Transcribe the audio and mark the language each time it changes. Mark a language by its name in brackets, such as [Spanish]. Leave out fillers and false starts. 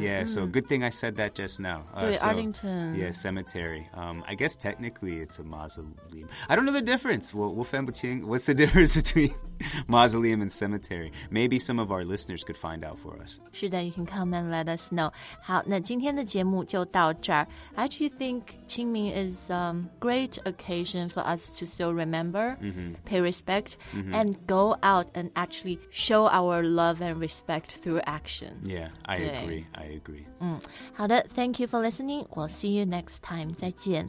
[English] Yeah, so good thing I said that just now. Arlington. Yeah, cemetery. I guess technically it's a mausoleum. I don't know the difference. What's the difference between mausoleum and cemetery? Maybe some of our listeners could find out for us. 是的 you can come and let us know. [Chinese] 好那今天的节目就到这儿。 [English] I actually think 清明is a great occasion for us to still remember, pay respect, and go out and actually show our love and respect through action. Yeah, I agree. 好的 thank you for listening. We'll see you next time. [Chinese] 再见。